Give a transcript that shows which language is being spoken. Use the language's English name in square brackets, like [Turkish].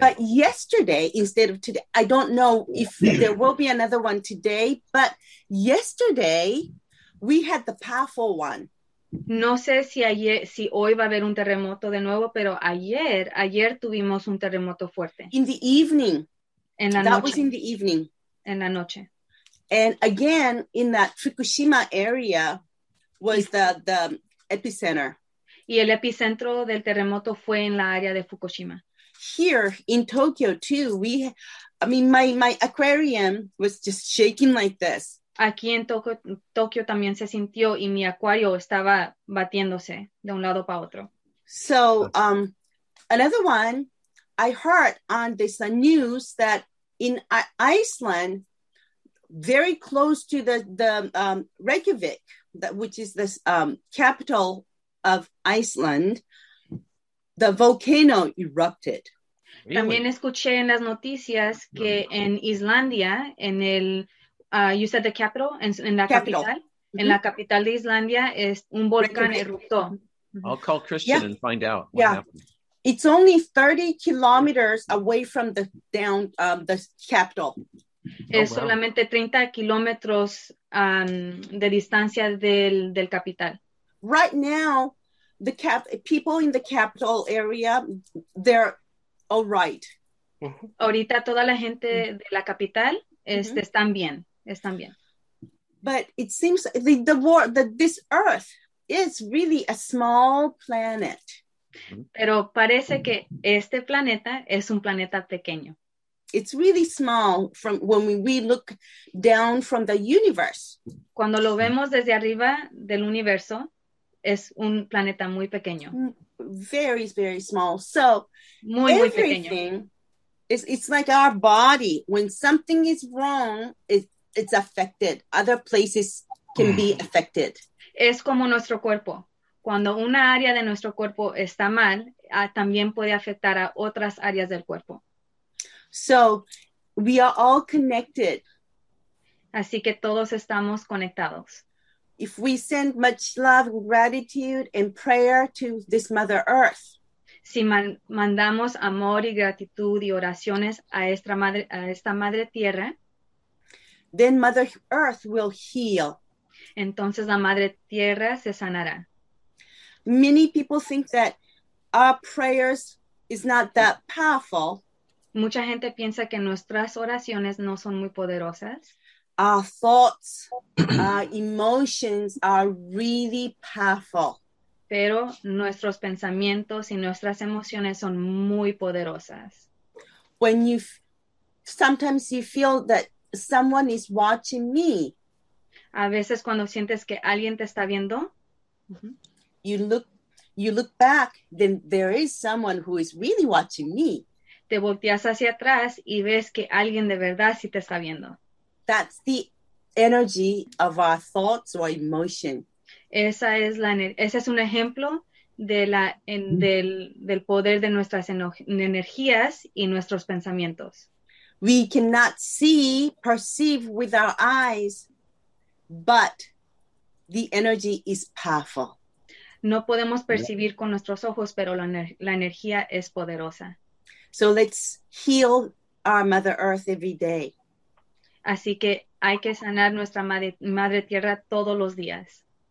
[English] But yesterday instead of today, I don't know if there will be another one today, but yesterday we had the powerful one. [Spanish] No sé si hoy va a haber un terremoto de nuevo, pero ayer tuvimos un terremoto fuerte. [English] In the evening. [Spanish] En la [English] that [Spanish] noche. [English] Was in the evening. [Spanish] En la noche. [English] And again, in that Fukushima area was the epicenter. [Spanish] Y el epicentro del terremoto fue en la área de Fukushima. [English] Here in Tokyo too, my aquarium was just shaking like this. [Spanish] Aquí en Tokio también se sintió y mi acuario estaba batiéndose de un lado para otro. [English] So, another one, I heard on this news that in Iceland, very close to the Reykjavik, which is the capital of Iceland, the volcano erupted. [Spanish] Really? También escuché en las noticias que [English] really cool. [Spanish] En Islandia, en el... [English] you said the capital, [Spanish] en la capital. Capital, en la capital de Islandia, es un volcán eruptó. [English] I'll call Christian and find out what happened. It's only 30 kilometers away from the down the capital. [Spanish] Es solamente 30 kilómetros de distancia del capital. [English] Right now, the people in the capital area, they're all right. [Spanish] Ahorita toda la gente de la capital están bien. Están bien. [English] But it seems the world that this Earth is really a small planet. [Spanish] Pero parece que este planeta es un planeta pequeño. [English] It's really small from when we look down from the universe. [Spanish] Cuando lo vemos desde arriba del universo, es un planeta muy pequeño. [English] Very, very small. So [Spanish] muy, [English] everything [Spanish] muy pequeño. [English] It's like our body. When something is wrong, it's affected. Other places can be affected. [Spanish] Es como nuestro cuerpo. Cuando una área de nuestro cuerpo está mal, también puede afectar a otras áreas del cuerpo. [English] So we are all connected. [Spanish] Así que todos estamos conectados. [English] If we send much love, gratitude, and prayer to this Mother Earth, [Spanish] si mandamos amor y gratitud y oraciones a esta madre tierra, [English] then Mother Earth will heal. [Spanish] Entonces la madre tierra se sanará. [English] Many people think that our prayers is not that powerful. [Spanish] Mucha gente piensa que nuestras oraciones no son muy poderosas. [English] Our thoughts, our emotions are really powerful. [Spanish] Pero nuestros pensamientos y nuestras emociones son muy poderosas. [English] When you sometimes you feel that someone is watching me. [Spanish] A veces cuando sientes que alguien te está viendo, [English] you look back, then there is someone who is really watching me. [Spanish] Te volteas hacia atrás y ves que alguien de verdad sí te está viendo. [English] That's the energy of our thoughts or emotion. [Spanish] Ese es un ejemplo del poder de nuestras energías y nuestros pensamientos. [English] We cannot see, perceive with our eyes, but the energy is powerful. [Spanish] No podemos percibir con nuestros ojos, pero la energía es poderosa. [English] So let's heal our Mother Earth every day. [Spanish] Así que hay que sanar nuestra madre tierra todos los días.